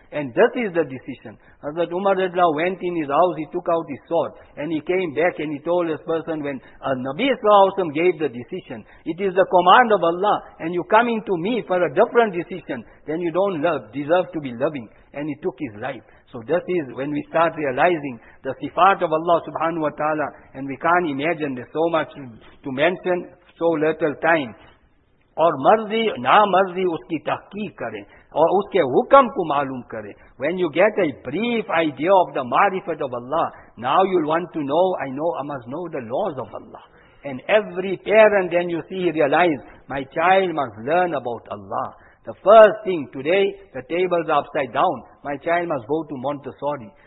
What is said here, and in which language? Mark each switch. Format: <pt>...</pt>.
<en>And this is the decision. Hazrat Umar radiallahu ta'ala went in his house, he took out his sword, and he came back and he told this person, when Nabi Sallallahu Alaihi Wasallam gave the decision, it is the command of Allah, and you coming to me for a different decision, then you don't deserve to be loving. And he took his life. So this is when we start realizing the sifat of Allah subhanahu wa ta'ala, and we can't imagine there's so much to mention, so little time.</en> <ur>اور مرضی نہ مرضی اس کی تحقیق کریں اور اس کے حکم کو معلوم کریں.</ur> <en>When you get a brief idea of the معرفت of Allah, now you'll want to know, I must know the laws of Allah. And every parent, then you see, realize, my child must learn about Allah. The first thing, today, the tables are upside down. My child must go to Montessori.</en>